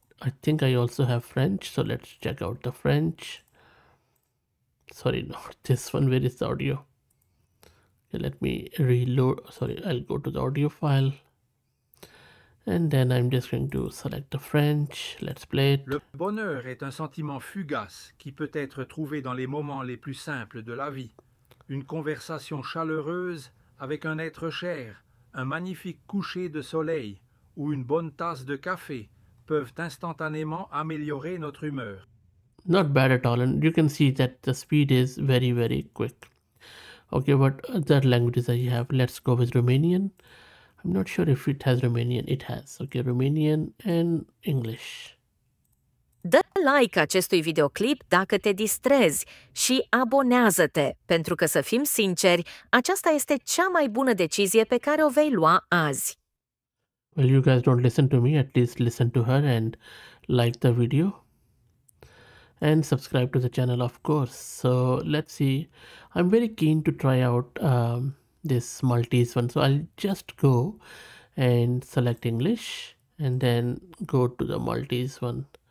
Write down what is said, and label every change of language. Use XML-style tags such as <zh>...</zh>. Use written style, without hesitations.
<en>I think I also have French, so let's check out the French. Sorry, not this one. Where is the audio? Okay, let me reload. Sorry, I'll go to the audio file. And then I'm just going to select the French. Let's play it.</en> <fr>Le bonheur est un sentiment fugace qui peut être trouvé dans les moments les plus simples de la vie. Une conversation chaleureuse avec un être cher, un magnifique coucher de soleil ou une bonne tasse de café peuvent instantanément améliorer notre humeur.</fr> <en>Not bad at all, and you can see that the speed is very, very quick. Okay, what other languages I have? Let's go with Romanian. I'm not sure if it has Romanian. It has. Okay, Romanian and English.</en> <ro>Dă like acestui videoclip dacă te distrezi și abonează-te, pentru că să fim sinceri, aceasta este cea mai bună decizie pe care o vei lua azi.</ro> <en>Well, you guys don't listen to me, at least listen to her and like the video. And subscribe to the channel, of course. So let's see. I'm very keen to try out this Maltese one. So I'll just go and select English and then go to the Maltese one.</en>